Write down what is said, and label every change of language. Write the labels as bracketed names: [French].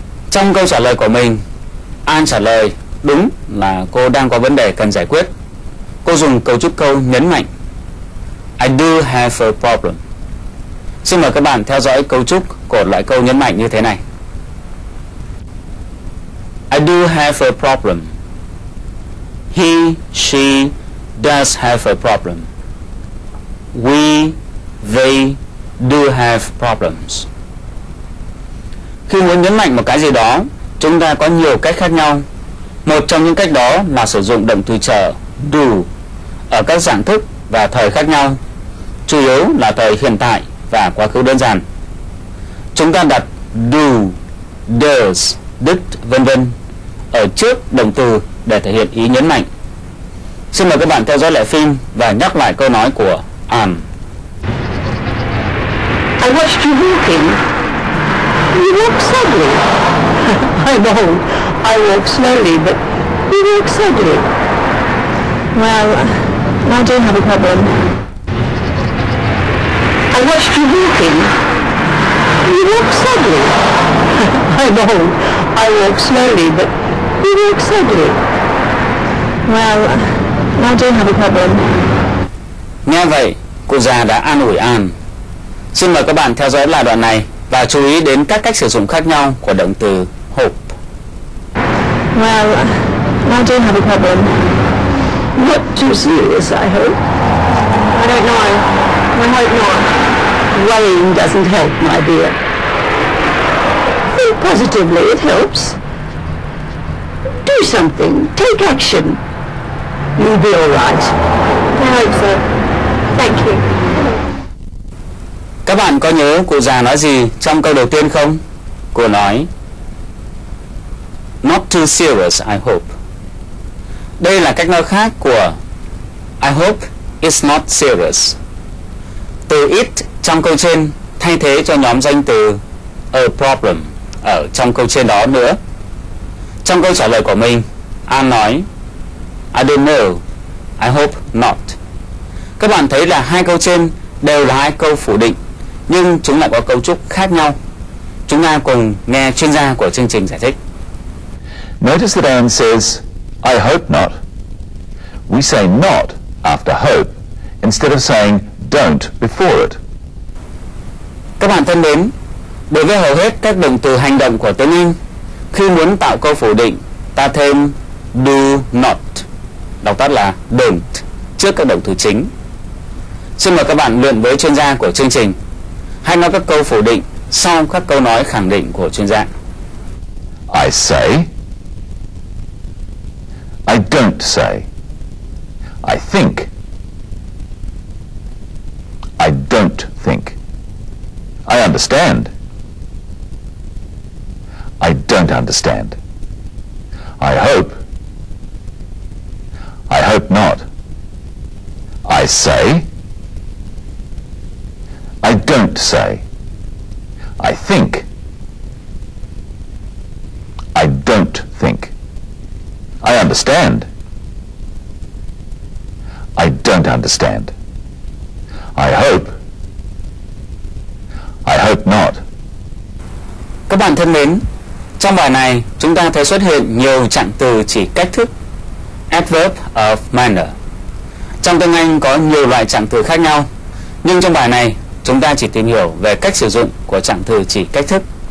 [Vietnamese] Trong câu trả lời của mình, An trả lời đúng là cô đang có vấn đề cần giải quyết. Cô dùng cấu trúc câu nhấn mạnh [English] I do have a problem. [Vietnamese] Xin mời các bạn theo dõi cấu trúc của loại câu nhấn mạnh như thế này. [English] I do have a problem. He, she does have a problem. We, they do have problems. [Vietnamese] Khi muốn nhấn mạnh một cái gì đó, chúng ta có nhiều cách khác nhau. Một trong những cách đó là sử dụng động từ trợ do ở các dạng thức và thời khác nhau, chủ yếu là thời hiện tại và quá khứ đơn giản. Chúng ta đặt do, does, did, v.v. ở trước động từ để thể hiện ý nhấn mạnh. Xin mời các bạn theo dõi lại phim và nhắc lại câu nói của An. [English] I watched you walking. You walk sadly. I know. I walk slowly, but you walk sadly. Well, I do have a problem. I watched you walking. You walk sadly. I know. I walk slowly, but you walk sadly. Well, I don't have a problem. [Vietnamese] Nghe vậy, cụ già đã an ủi An. Xin mời các bạn theo dõi lại đoạn này và chú ý đến các cách sử dụng khác nhau của động từ hope. [English] Well, I don't have a problem. Not too serious, I hope. I don't know. I hope not. Worrying doesn't help, my dear. Think positively, it helps. Do something. Take action. You'll be all right. I hope so. Thank you. [Vietnamese] Các bạn có nhớ cụ già nói gì trong câu đầu tiên không? Cô nói [English] Not too serious, I hope. [Vietnamese] Đây là cách nói khác của [English] I hope it's not serious. [Vietnamese] Từ it trong câu trên thay thế cho nhóm danh từ a problem ở trong câu trên đó nữa. Trong câu trả lời của mình, An nói [English] I don't know, I hope not. [Vietnamese] Các bạn thấy là hai câu trên đều là hai câu phủ định, nhưng chúng lại có cấu trúc khác nhau. Chúng ta cùng nghe chuyên gia của chương trình giải thích. [English] Notice that Anne says, I hope not. We say not after hope, instead of saying don't before it. [Vietnamese] Các bạn thân mến, đối với hầu hết các động từ hành động của tiếng Anh, khi muốn tạo câu phủ định, ta thêm do not, đọc tắt là don't, trước các động từ chính. Xin mời các bạn luyện với chuyên gia của chương trình, hay nói các câu phủ định sau các câu nói khẳng định của chuyên gia. [English] I say, I don't say, I think, I don't think, I understand, I don't understand, I hope not, I say, I don't say, I think, I don't think, I understand, I don't understand, I hope not. [Vietnamese] Các bạn thân mến, trong bài này chúng ta thấy xuất hiện nhiều trạng từ chỉ cách thức, adverb of manner. Trong tiếng Anh có nhiều loại trạng từ khác nhau, nhưng trong bài này chúng ta chỉ tìm hiểu về cách sử dụng của trạng từ chỉ cách thức.